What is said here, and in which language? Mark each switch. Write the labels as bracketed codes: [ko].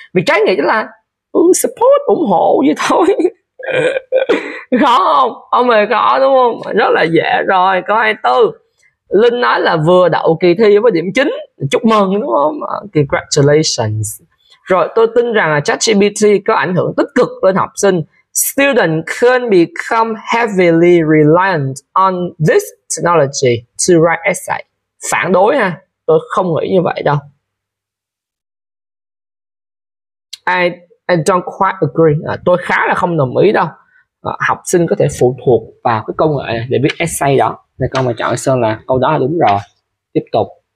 [vi] Vì trái nghĩa là support, ủng hộ vậy thôi. Khó không? Ông ơi khó đúng không? Rất là dễ rồi. Câu 24. Linh nói là vừa đậu kỳ thi với điểm 9. Chúc mừng đúng không? [en] Congratulations. [vi] Rồi tôi tin rằng là ChatGPT có ảnh hưởng tích cực lên học sinh. [en] Student can become heavily reliant on this technology to write essay. [vi] Phản đối ha. Tôi không nghĩ như vậy đâu. [en] I don't quite agree. [vi] À, tôi khá là không đồng ý đâu. À, học sinh có thể phụ thuộc vào cái công nghệ này để viết essay đó. Thì câu mà chọn Sơn là câu đó là đúng rồi. Tiếp tục.